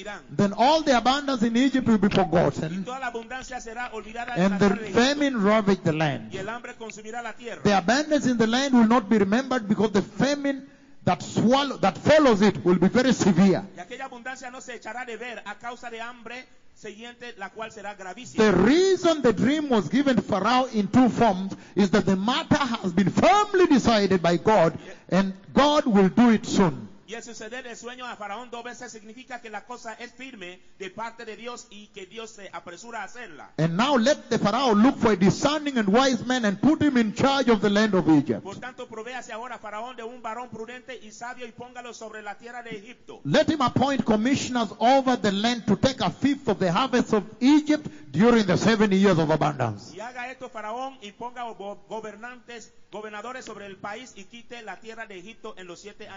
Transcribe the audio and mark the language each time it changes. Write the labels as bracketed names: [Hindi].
[English] Then all the abundance in Egypt will be forgotten. And the famine ravaged the land. The abundance in the land will not be remembered because the famine that follows it will be very severe. [Spanish] Y aquella abundancia no se echará de ver a causa de hambre siguiente, la cual será gravísima. [English] The reason the dream was given to Pharaoh in two forms is that the matter has been firmly decided by God, and God will do it soon. [Spanish] Y el suceder el sueño a Faraón dos veces significa que la cosa es firme de parte de Dios y que Dios se apresura a hacerla. [English] And now let the Pharaoh look for a discerning and wise man and put him in charge of the land of Egypt. [Spanish] Por tanto, provéase ahora Faraón de un varón prudente y sabio y póngalo sobre la tierra de Egipto. [English] Let him appoint commissioners over the land to take a fifth of the harvest of Egypt during the 7 years of abundance. [Spanish] Y haga esto Faraón y ponga gobernantes, gobernadores sobre el país y quite la tierra de Egipto en los siete años.